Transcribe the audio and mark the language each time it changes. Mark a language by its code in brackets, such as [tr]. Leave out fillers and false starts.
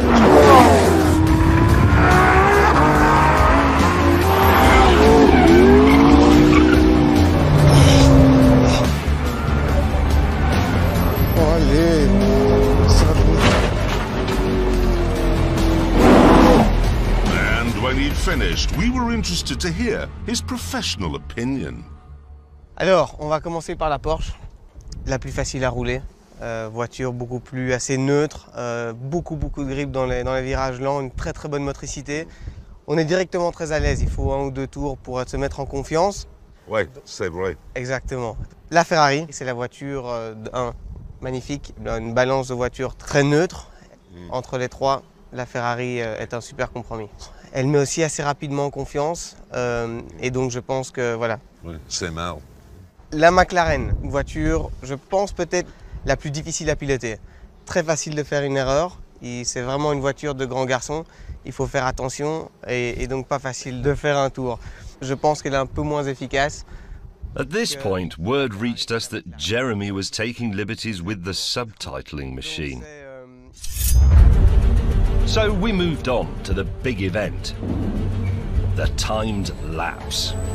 [en] And when he'd finished, we were interested to hear his professional opinion. [fr] Alors, on va commencer par la Porsche, la plus facile à rouler. Voiture beaucoup plus assez neutre, beaucoup de grip dans les virages lents, une très très bonne motricité. On est directement très à l'aise, il faut un ou deux tours pour se mettre en confiance. Ouais, c'est vrai. Exactement. La Ferrari, c'est la voiture magnifique, une balance de voiture très neutre. Entre les trois, la Ferrari est un super compromis. Elle met aussi assez rapidement en confiance et donc je pense que voilà. Ouais, c'est mal. La McLaren, voiture, je pense peut-être la plus difficile à piloter. Très facile de faire une erreur. C'est vraiment une voiture de grand garçon. Il faut faire attention et donc pas facile de faire un tour. Je pense qu'elle est un peu moins efficace. [en] At this point, word reached us that Jeremy was taking liberties with the subtitling machine. So we moved on to the big event, the timed lapse.